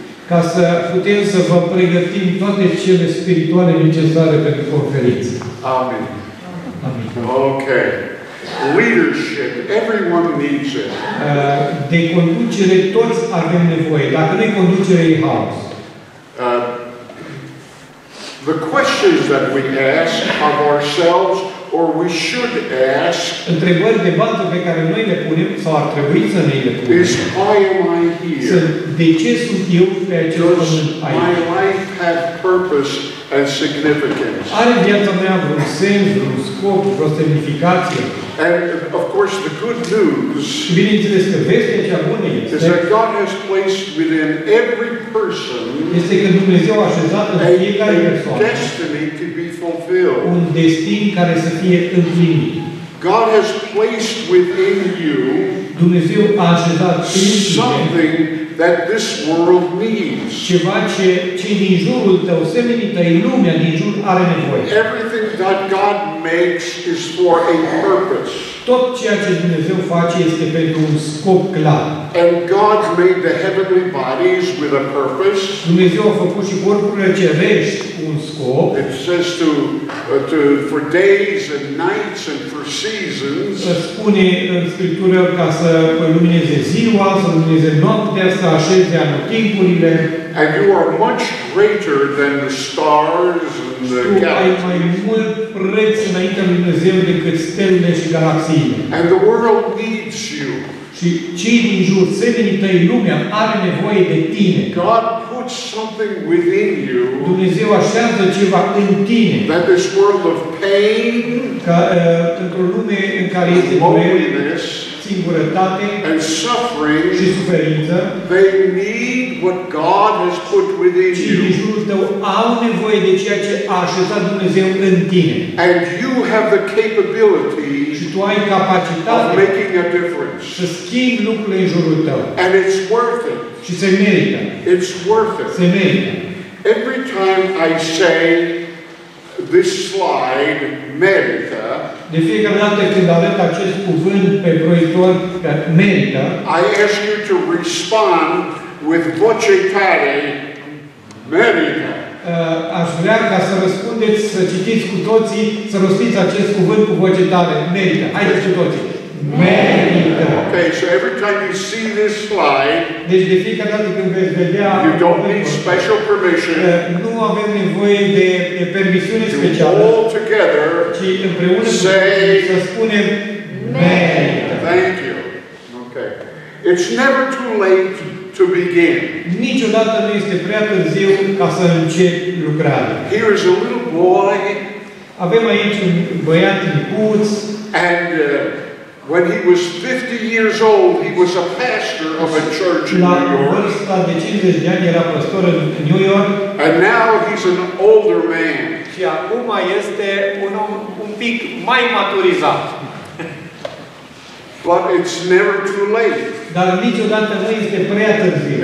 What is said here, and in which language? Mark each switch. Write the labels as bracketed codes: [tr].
[ro] Ca să putem să vă pregătim toate cele spirituale necesare pentru conferință. Amin. Amin. [en] Ok. Leadership. Everyone needs it. [ro] De conducere toți avem nevoie. Dacă nu e conducere, e haos. [en] The questions that we ask of ourselves or we should ask. [ro] Întrebările de bază pe care noi le punem sau ar trebui să ne le punem. [en] Is why am I here? [ro] De ce sunt eu pe acest pământ aici? [en] My life has purpose and significance. [ro] Are viața mea vreun sens, vreun scop, vreo semnificație? [en] And of course the good news. [ro] Bineînțeles că vestea cea bună este. [en] Is that God has placed within every person. [ro] Este că Dumnezeu a așezat în fiecare persoană. [en] A destiny to be fulfilled. [ro] Un destin care să fie împlinit. [en] God has placed within you. [ro] Dumnezeu a așezat în tine. [en] Something that this world needs. [ro] Ceva ce din jurul tău, oamenii tăi, lumea din jur are nevoie. [en] Everything that God makes is for a purpose. [ro] Tot ceea ce Dumnezeu face este pentru un scop clar. [en] And God made the heavenly bodies with a purpose. [ro] Dumnezeu a făcut și corpurile cerești cu un scop. [en] It says to for days and nights and for seasons. [ro] Se spune în Scriptură ca să lumineze ziua, să lumineze noaptea, să așeze anotimpurile. [en] And you are much greater than the stars and the galaxies. [ro] Tu ai mai mult preț înaintea lui Dumnezeu decât stelele și galaxiile. [en] And the world needs you. [ro] Și cei din jur, semenii tăi, lumea, are nevoie de tine. [en] God puts something within you. [ro] Dumnezeu așează ceva în tine. [en] That this world of pain. [ro] Ca într-o lume în care este durere, singurătate [en] and suffering, [ro] și suferință, [en] they need what God has put within you. [ro] Cei din jurul tău au nevoie de ceea ce a așezat Dumnezeu în tine. [en] And you have the capability. [ro] Și tu ai capacitatea. [en] Of making a difference. [ro] Să schimbi lucrurile în jurul tău. [en] And it's worth it. [ro] Și se merită. [en] It's worth it. [ro] Se merită. [en] Every time I say this slide merită. [ro] De fiecare dată când arăt acest cuvânt pe proiector că merită, [en] I ask you to respond with [ro] voce tare, merită. Aș vrea ca să răspundeți, să citiți cu toții, să rostiți acest cuvânt cu voce tare. Merită. Haideți cu toții. Merită. [en] Okay, so every time you see this slide, [ro] deci de fiecare dată când veți vedea, [en] you don't need special permission. [ro] Nu avem nevoie de permisiune specială. [en] You all together, [ro] ci împreună [en] say, [ro] să spunem merită. [en] Thank you. Okay. It's never too late to begin. [ro] Niciodată nu este prea târziu ca să încep lucrarea. [en] Here is a little boy. [ro] Avem aici un băiat micuț. [en] And when he was 50 years old, he was a pastor of a church in New York. [ro] La vârsta de 50 de ani era pastor în New York. [en] And now he's an older man. [ro] Și acum este un om un pic mai maturizat. [en] But it's never too late. [ro] Dar niciodată nu este prea târziu.